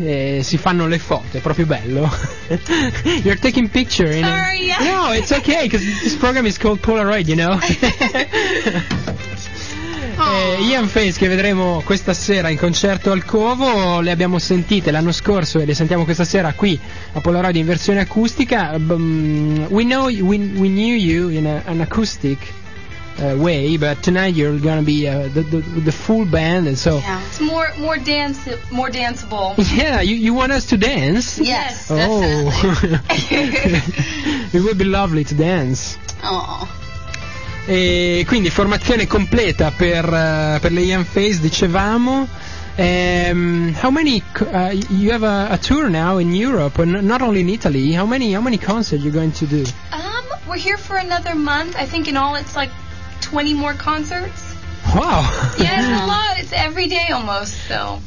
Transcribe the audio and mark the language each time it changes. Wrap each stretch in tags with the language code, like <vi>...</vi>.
<it>E si fanno le foto, è proprio bello.</it> <en>You're taking picture. Sorry. No, it's okay, because this program is called Polaroid, you know.</en> <it>Ian Faze, che vedremo questa sera in concerto al Covo, le abbiamo sentite l'anno scorso e le sentiamo questa sera qui a Polaroid in versione acustica.</it> <en>We knew you in an acoustic way, but tonight you're gonna be the full band, and so yeah, it's more danceable. Yeah, you want us to dance? Yes, definitely. Oh, it would be lovely to dance. Oh.</en> <it>E quindi formazione completa per le Young Face, dicevamo.</it> <en>How many you have a tour now in Europe, not only in Italy? How many concerts you're going to do? We're here for another month. I think in all it's like 20 more concerts. Wow. Yeah, it's a lot. It's every day almost. So.</en>